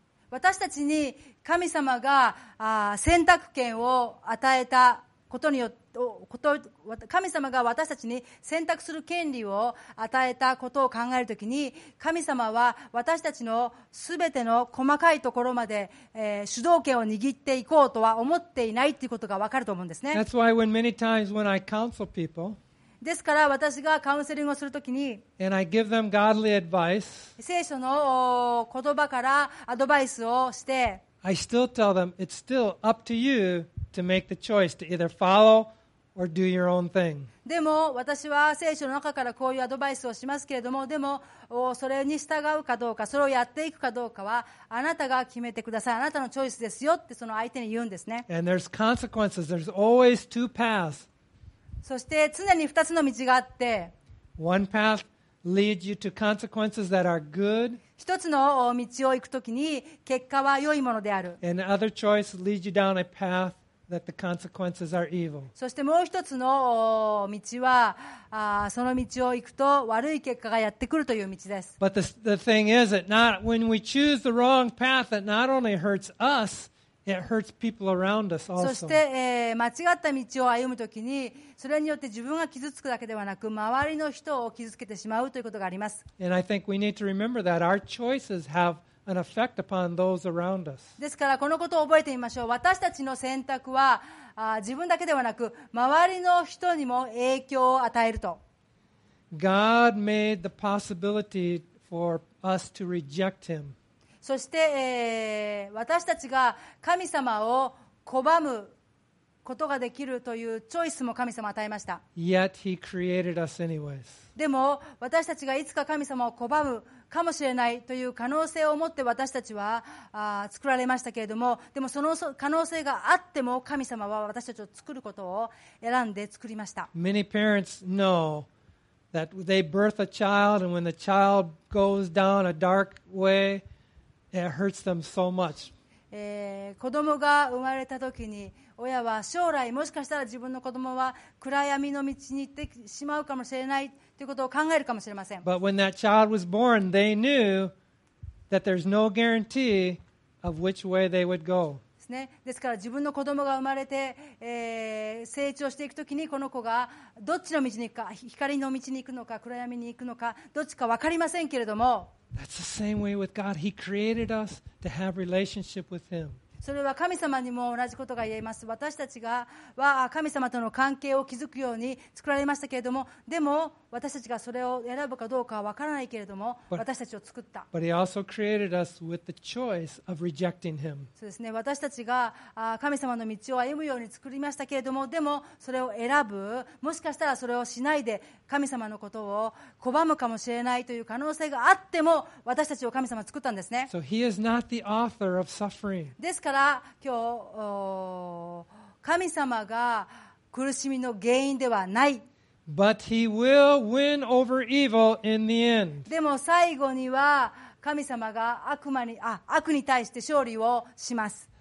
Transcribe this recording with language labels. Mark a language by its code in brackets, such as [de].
[ja] 私たちに神様が選択権を与えた。ことによって神様が私たちに選択する権利を与えたことを考えるときに神様は私たちのすべての細かいところまで、主導権を握っていこうとは思っていないということが分かると思うんですね。 [en] That's why when many times when I counsel people, [ja] ですから私がカウンセリングをするときに [en] and I give them godly advice, [ja] 聖書の言葉からアドバイスをして [en] I still tell them it's still up to youTo make the choice to either follow or do your own thing. [ja] でも私は聖書の中からこういうアドバイスをしますけれども、でもそれに従うかどうか、それをやっていくかどうかはあなたが決めてください。あなたのチョイスですよってその相手に言うんですね。 [en] And there's consequences. There's always two paths. [ja] そして常に二つの道があって、 [en] One path leads you to consequences that are good. [ja] 一つの道を行くときに結果は良いものである。 [en] And other choice leads you down a path. That the consequences are evil. [ja] そしてもう一つの道はその道を行くと悪い結果がやってくるという道です。 [en] But the thing is that not when we choose the wrong path, that not only hurts us, it hurts people around us also. [ja] そして、間違った道を歩むときにそれによって自分が傷つくだけではなく周りの人を傷つけてしまうということがあります。 [en] And I think we need to remember that our choices haveAn effect upon those around us. [ja] ですからこのことを覚えてみましょう。私たちの選択は自分だけではなく周りの人にも影響を与えると。 [en] God made the possibility for us to reject Him. [ja] そして、私たちが神様を拒むことができるというチョイスも神様与えました。 [en] Yet He created us anyways. [ja] でも私たちがいつか神様を拒むかもしれないという可能性を持って私たちは作られましたけれども、でもその可能性があっても神様は私たちを作ることを選んで作りました。 [en] Many parents know that they birth a child and when the child goes down a dark way, it hurts them so much. [ja] 子供が生まれた時に親は将来もしかしたら自分の子供は暗闇の道に行ってしまうかもしれないということを考えるかもしれません。 [en] But when that child was born, they knew that there's no guarantee of which way they would go. ね。 [ja] ですから自分の子供が生まれて、成長していくときにこの子がどっちの道に行くか、光の道に行くのか暗闇に行くのかどっちか分かりませんけれども、 [en] That's the same way with God. He created us to have relationship with Him. [ja] それは神様にも同じことが言えます。私たちが神様との関係を築くように作られましたけれども、でも私たちがそれを選ぶかどうかは分からないけれども、私たちを作った。 [en] But He also created us with the choice of rejecting Him. [ja] そうですね。私たちが神様の道を歩むように作りましたけれども、でもそれを選ぶ、もしかしたらそれをしないで神様のことを拒むかもしれないという可能性があっても、私たちを神様は作ったんですね。 [en] So He is not the author of suffering. [ja] ですから今日、神様が苦しみの原因ではない。 [en] But he will win over evil in the end. [ja] でも最後には神様が悪に対して勝利をします。